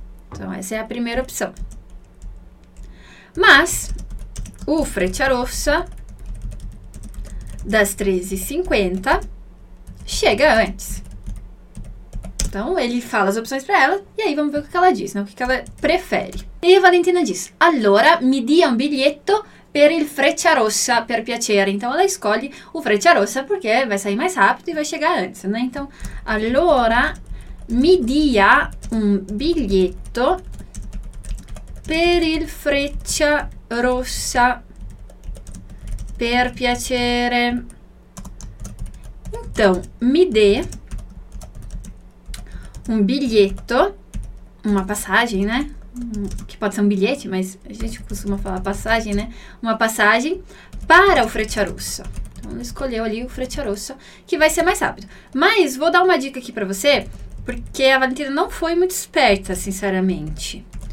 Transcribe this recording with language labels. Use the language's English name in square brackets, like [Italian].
[Portuguese] Então, essa é a primeira opção. Mas, o Frecciarossa, das 13:50, chega antes. Então, ele fala as opções para ela, e aí vamos ver o que ela diz, né? O que ela prefere. E a Valentina diz, [Italian] allora mi dia un biglietto per il Frecciarossa, per piacere. [Portuguese] Então, ela escolhe o Frecciarossa porque vai sair mais rápido e vai chegar antes, né? [Italian] Então, allora mi dia un biglietto per il Frecciarossa, per piacere. [Portuguese] Então, mi dê um bilhete, uma passagem, né? Que pode ser um bilhete, mas a gente costuma falar passagem, né? Uma passagem para o Frecciarossa. Então, ele escolheu ali o Frecciarossa, que vai ser mais rápido. Mas, vou dar uma dica aqui para você, porque a Valentina não foi muito esperta, sinceramente.